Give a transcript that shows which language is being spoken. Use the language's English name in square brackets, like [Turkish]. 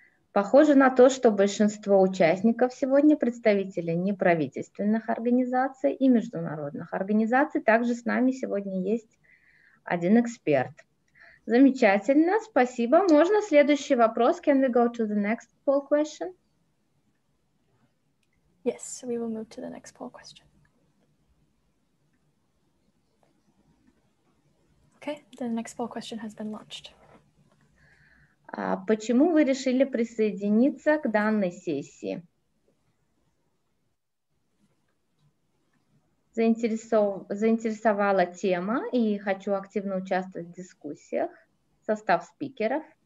[Russian] Похоже на то, что большинство участников сегодня представители неправительственных организаций и международных организаций. Также с нами сегодня есть один эксперт. Замечательно, спасибо. Можно следующий вопрос? [English] Can we go to the next poll question? Yes, we will move to the next poll question. Okay, the next poll question has been launched. [Russian] Почему вы решили присоединиться к данной сессии? Заинтересовала тема и хочу активно участвовать в дискуссиях. Состав спикеров.